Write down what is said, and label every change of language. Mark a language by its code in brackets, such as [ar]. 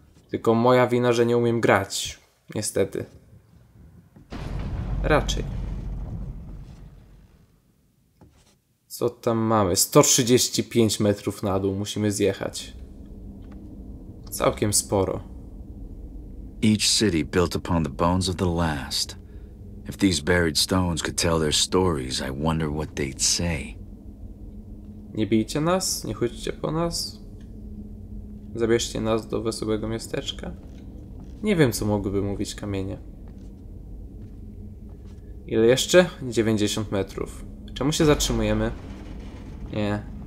[pl] Tylko moja wina, że nie umiem grać. Niestety. Raczej. Co tam mamy? 135 metrów na dół musimy zjechać. Całkiem sporo. [en] Each city built upon the bones of the last. If these buried stones could tell their stories, I wonder what they'd say. [pl] Nie bijcie nas, nie chodźcie po nas. Zabierzcie nas do wesołego miasteczka. Nie wiem, co mogłyby mówić kamienie. Ile jeszcze? 90 metrów. Czemu się zatrzymujemy? Nie.